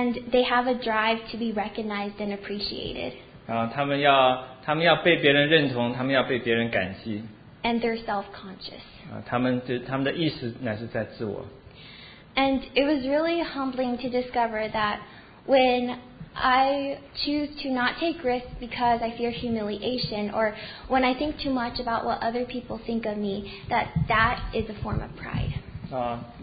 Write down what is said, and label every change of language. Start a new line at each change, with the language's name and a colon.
English: they have a drive to be recognized and appreciated.
Chinese: 他们要被别人认同，他们要被别人感激。
English: And they're self-conscious.
Chinese: 他们的意识乃是在自我。
English: And it was really humbling to discover that when I choose to not take risks because I fear humiliation, or when I think too much about what other people think of me, that is a form of pride.